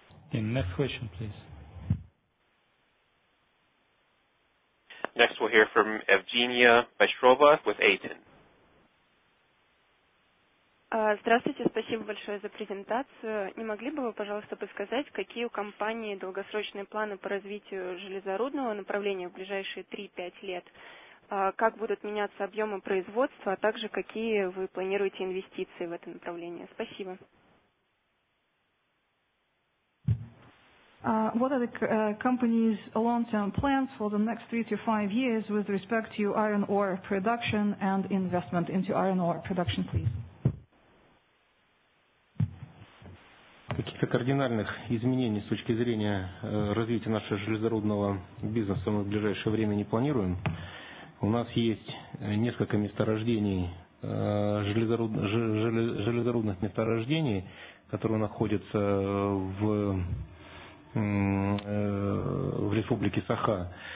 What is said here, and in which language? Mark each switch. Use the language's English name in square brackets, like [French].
[English] Okay, next question, please. Next, we'll hear from Evgenia Bashrova with Aten. [Russian] Здравствуйте, спасибо большое за презентацию. Не могли бы вы, пожалуйста, подсказать, какие у компании долгосрочные планы по развитию железорудного направления в ближайшие 3-5 лет? Как будут меняться объемы производства, а также какие вы планируете инвестиции в это направление? Спасибо. [English] What are the company's long-term plans for the next 3 to 5 years with respect to iron ore production and investment into iron ore production, please? [Russian] Каких-то кардинальных изменений с точки зрения развития нашего железорудного бизнеса мы в ближайшее время не планируем. У нас есть несколько месторождений, железорудных месторождений, которые находятся в Республике Саха.